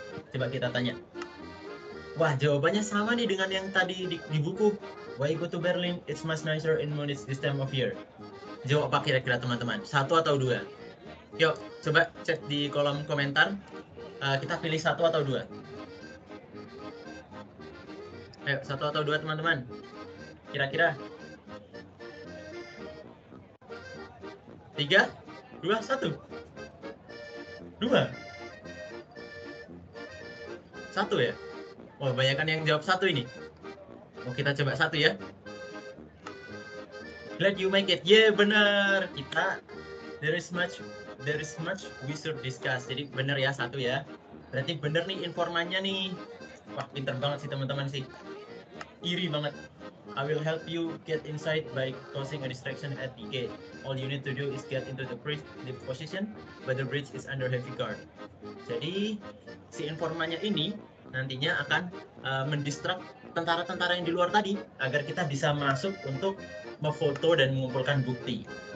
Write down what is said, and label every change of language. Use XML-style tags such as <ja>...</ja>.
<id>Coba kita tanya. Wah, jawabannya sama nih dengan yang tadi di buku.</id> <en>Why go to Berlin? It's much nicer in Munich this time of year.</en> <id>Jawab apa kira-kira teman-teman? Satu atau dua? Yuk, coba cek di kolom komentar. Kita pilih satu atau dua. Ayo, satu atau dua teman-teman? Kira-kira? Tiga, dua, satu. Dua. Satu ya? Wah, banyak kan yang jawab satu ini. Mau kita coba satu ya.</id> <en>Glad you make it.</en> <id>Yeah, benar. Kita,</id> <en>there is much we should discuss.</en> <id>Jadi benar ya, satu ya. Berarti benar nih informannya nih. Wah, pinter banget sih teman-teman sih. Iri banget.</id> <en>I will help you get inside by causing a distraction at the gate. All you need to do is get into the bridge, the position, but the bridge is under heavy guard.</en> <id>Jadi, si informannya ini nantinya akan mendistract tentara-tentara yang di luar tadi agar kita bisa masuk untuk memfoto dan mengumpulkan bukti.</id>